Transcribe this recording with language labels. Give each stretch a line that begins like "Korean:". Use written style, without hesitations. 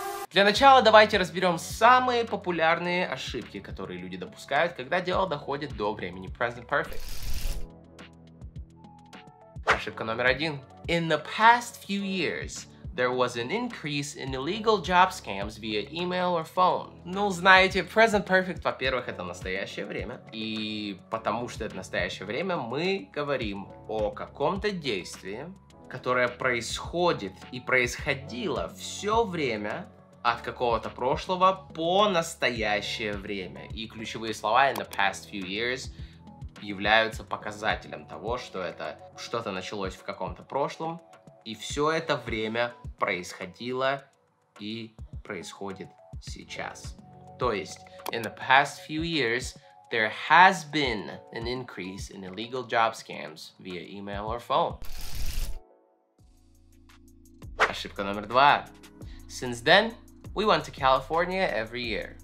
Russian: Для начала давайте разберем самые популярные ошибки, которые люди допускают, когда дело доходит до времени Present Perfect. Ошибка номер один.
English: In the past few years, there was an increase in illegal job scams via email or phone.
Russian: Ну, знаете, Present Perfect, во-первых, это настоящее время. И потому что это настоящее время, мы говорим о каком-то действии, которое происходит и происходило все время от какого-то прошлого по настоящее время. И ключевые слова
English: in the past few years
Russian: являются показателем того, что это что-то началось в каком-то прошлом, и все это время происходило и происходит сейчас. То есть,
English: in the past few years, there has been an increase in illegal job scams via email or phone.
Russian: Ошибка номер два.
English: Since then, we went to California every year.